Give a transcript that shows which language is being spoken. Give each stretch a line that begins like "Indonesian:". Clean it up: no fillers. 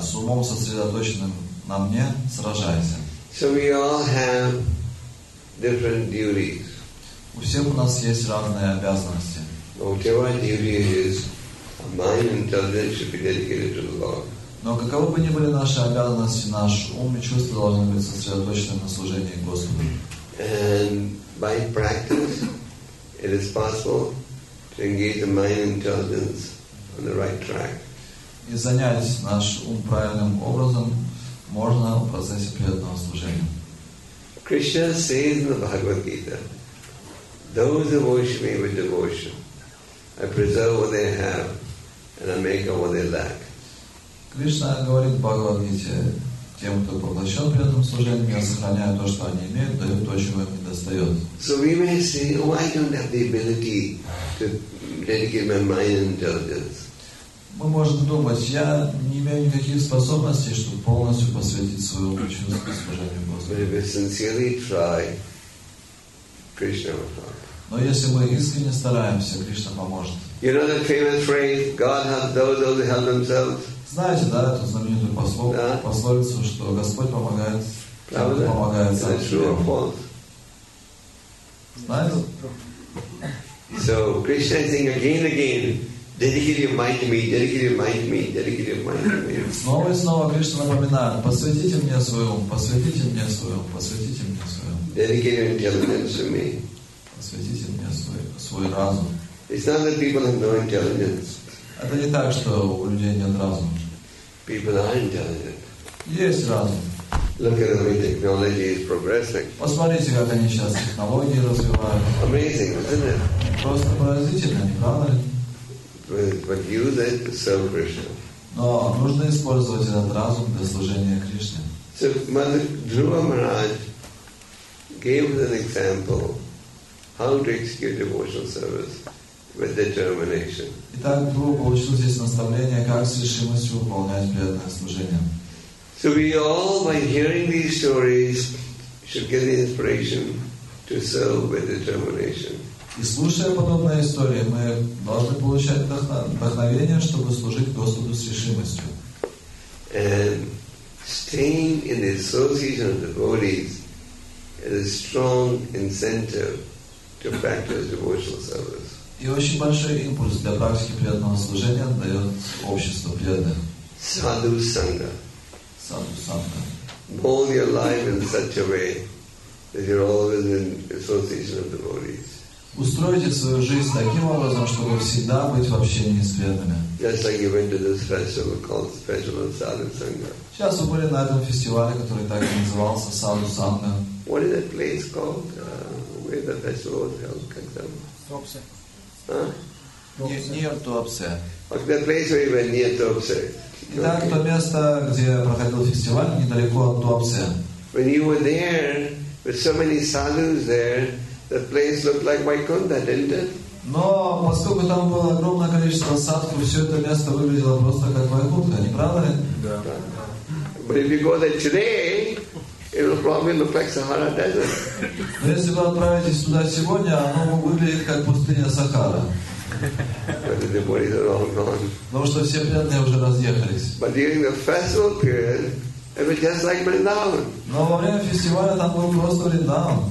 Russian: С умом сосредоточенным на мне сражайся.
English: So we all have different duties.
Russian: У всех у нас есть разные обязанности.
English: Whatever duty is, mind and intelligence should be dedicated to the Lord.
Russian: Но каковы бы ни были наши обязанности, наш ум и чувства должны быть сосредоточены на служении Господу.
English: And by practice, it is possible to engage the mind and intelligence on the right track.
Russian: И занять наш ум правильным образом можно в процессе преданного служения.
English: Krishna says in the Bhagavad Gita, those who worship me with devotion, I preserve what they have and I make up what they lack.
Russian: Krishna говорит в Bhagavad Gita, тем, кто поглощен при этом служением, я сохраняю то, что они имеют, даю то, чего им не достает.
English: So we may say, why don't I have the ability to dedicate my mind and intelligence?
Russian: Мы можем думать, я не имею никаких способностей, чтобы полностью посвятить свою личность служению Господу.
English: But if we sincerely try, Krishna will help.
Russian: Но если мы искренне стараемся, Кришна поможет.
English: You know the famous phrase, God helps those who help themselves?
Russian: Знаете, да, эту знаменитую пословицу, что Господь помогает, Господь помогает сам себе. Знаете?
English: So Krishna is saying again and again, dedicate your mind to me, dedicate your mind to me, dedicate your mind to me.
Russian: Снова и снова Кришна напоминает, посвятите мне свой ум, посвятите мне свой ум, посвятите мне свой ум.
English: Dedicate your intelligence to me.
Russian: Посвятите мне свой разум.
English: It's not that people have no intelligence.
Russian: Это не так, что у людей нет разума.
English: People are intelligent.
Russian: Есть разум.
English: Look at the way technology is progressing.
Russian: Посмотрите, как они сейчас технологии развивают.
English: Amazing, isn't it?
Russian: Просто поразительно, не правда ли?
English: But use it to serve Krishna.
Russian: Но нужно использовать этот разум для служения Кришне.
English: So Mother Dhruva Maharaj gave us an example how to execute devotional service. With determination.
Russian: Итак, Дру получил здесь наставление, как с решимостью выполнять преданное служение.
English: So we all, by hearing these stories, should get the inspiration to serve with determination.
Russian: И слушая подобные истории, мы должны получать вдохновение, чтобы служить Господу с решимостью.
English: And staying in the association of devotees is a strong incentive to practice devotional service.
Russian: И очень большой импульс для практики преданного служения дает общество преданных.
English: Sadhu Sangha.
Russian: Sadhu Sangha.
English: Hold your life in such a way that you're always in association of devotees.
Russian: Устройте свою жизнь таким образом, чтобы всегда быть в общении с преданными.
English: Just like you went to this festival called Special of Sadhu Sangha.
Russian: Сейчас вы были на этом фестивале, который так и назывался Sadhu Sangha.
English: What is that place called where the festival was held?
Russian: Туапсе.
English: Near Туапсе. Okay, the place where you went, near Туапсе.
Russian: Итак, то место, где проходил фестиваль, недалеко от Туапсе.
English: When you were there, with so many sadhus there, the place looked like Vaikuntha, didn't it?
Russian: Но поскольку там было огромное количество садху, все это место выглядело просто как Вайкунтха, не правда ли? Да.
English: But if you go there today, it will probably look like Sahara Desert.
Russian: Но если вы отправитесь туда сегодня, оно выглядит как пустыня Сахара.
English: But the devotees are all gone.
Russian: Потому что все преданные уже разъехались.
English: But during the festival period, it was just like Vrindavan.
Russian: Но во время фестиваля там был просто Вриндаван.